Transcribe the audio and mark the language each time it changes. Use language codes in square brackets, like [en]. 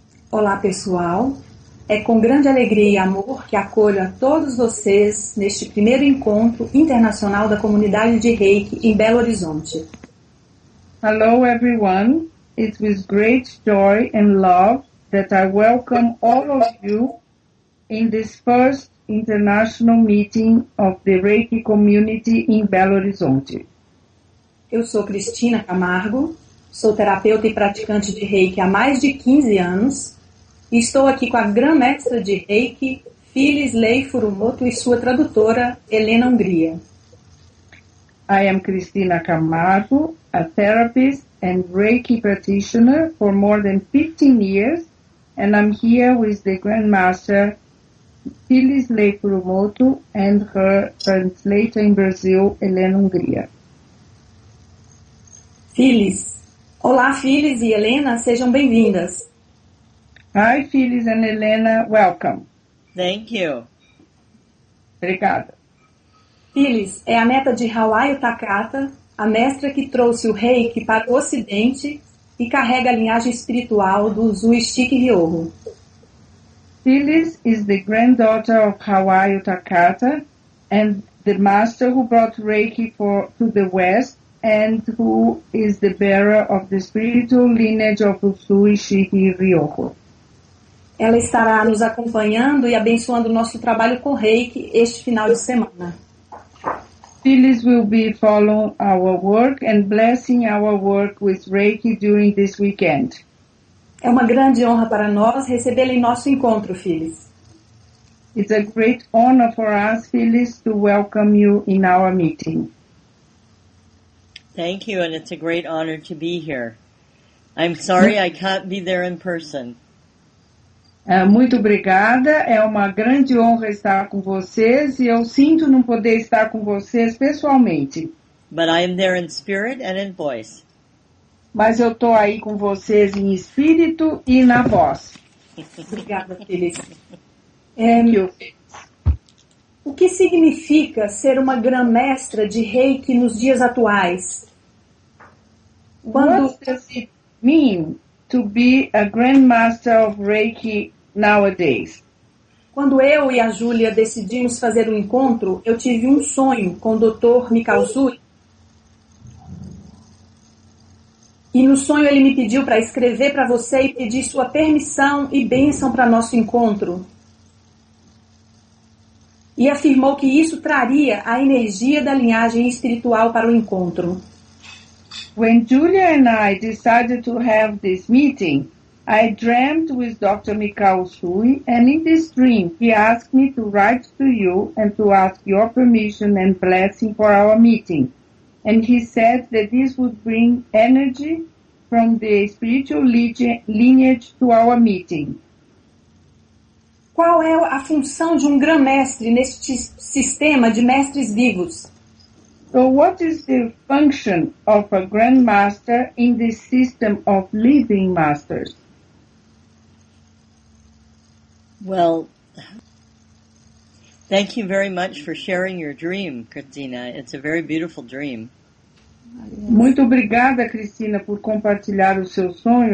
[pt] Olá pessoal, é com grande alegria e amor que acolho a todos vocês neste primeiro encontro internacional da comunidade de Reiki em Belo Horizonte. [en] Hello everyone, it's with great joy and love that I welcome all of you in this first international meeting of the Reiki community in Belo Horizonte. [pt] Eu sou Cristina Camargo, sou terapeuta e praticante de Reiki há mais de 15 anos. Estou aqui com a Grã-Mestra de Reiki, Phyllis Lei Furumoto, e sua tradutora, Helena Hungria. [en] I am Cristina Camargo, a therapist and Reiki practitioner for more than 15 years, and I'm here with the Grandmaster, Phyllis Lei Furumoto, and her translator in Brazil, Helena Hungria. [pt] Phyllis. Olá, Phyllis e Helena, sejam bem-vindas. [en] Hi, Phyllis and Helena, welcome. Thank you. [pt] Obrigada. Phyllis é a neta de Hawaii Takata, a mestra que trouxe o Reiki para o Ocidente e carrega a linhagem espiritual do Zuishiki Ryoho. [en] Phyllis is the granddaughter of Hawaii Takata and the master who brought Reiki to the West and who is the bearer of the spiritual lineage of Zuishiki Ryoho. [pt] Ela estará nos acompanhando e abençoando o nosso trabalho com Reiki este final de semana. [en] Phyllis will be following our work and blessing our work with Reiki during this weekend. [pt] É uma grande honra para nós recebê-la em nosso encontro, Phyllis. [en] It's a great honor for us, Phyllis, to welcome you in our meeting. Thank you, and it's a great honor to be here. I'm sorry I can't be there in person. [pt] Muito obrigada, é uma grande honra estar com vocês e eu sinto não poder estar com vocês pessoalmente. [en] But I am there in spirit and in voice. [pt] Mas eu estou aí com vocês em espírito e na voz. Obrigada, Phyllis. [en] Thank you. [pt] O que significa ser uma grã-mestra de Reiki nos dias atuais? Quando... [en] What does it mean to be a grandmaster of Reiki nowadays? [pt] Quando eu e a Júlia decidimos fazer um encontro, eu tive um sonho com o Dr. Mikao Sui. E no sonho ele me pediu para escrever para você e pedir sua permissão e bênção para nosso encontro. E afirmou que isso traria a energia da linhagem espiritual para o encontro. [en] When Julia and I decided to have this meeting, I dreamt with Dr. Mikao Sui, and in this dream, he asked me to write to you and to ask your permission and blessing for our meeting. And he said that this would bring energy from the spiritual lineage to our meeting. [pt] Qual é a função de grã-mestre neste sistema de mestres vivos? [en] So what is the function of a grandmaster in this system of living masters? Well, thank you very much for sharing your dream, Cristina. It's a very beautiful dream. [pt] Muito obrigada, Cristina, por compartilhar o seu sonho.